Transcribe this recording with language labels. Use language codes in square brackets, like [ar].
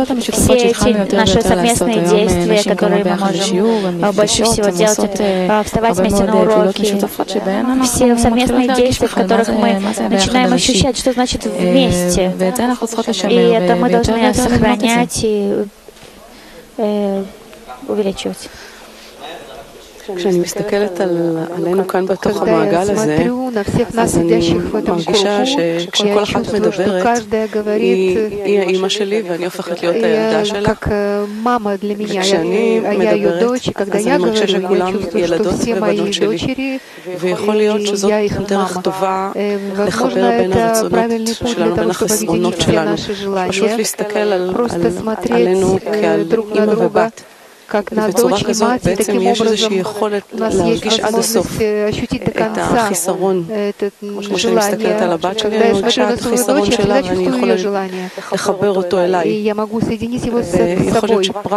[ru] Все эти наши совместные действия, которые мы можем больше всего делать, это вставать вместе на уроки, все совместные действия, в которых мы начинаем ощущать, что значит вместе. И это мы должны сохранять и увеличивать. [he] כשאני מסתכלת על עלינו כאן בתוך המעגל הזה, אז אני מרגישה שכשכל אחת מדברת, היא האימא שלי ואני הופכת להיות הילדה שלה. וכשאני מדברת, אז אני מרגישה שכולם ילדות ובנות שלי, ויכול להיות שזאת דרך טובה לחבר בין הרצונות שלנו, בין החסרונות שלנו. פשוט להסתכל עלינו כעל אימא ובת. [ru] Как на дочь и мать, таким образом у нас есть возможность ощутить до конца это желание. Когда я смотрю на свою дочь, я всегда чувствую ее желание. И я могу соединить его с собой.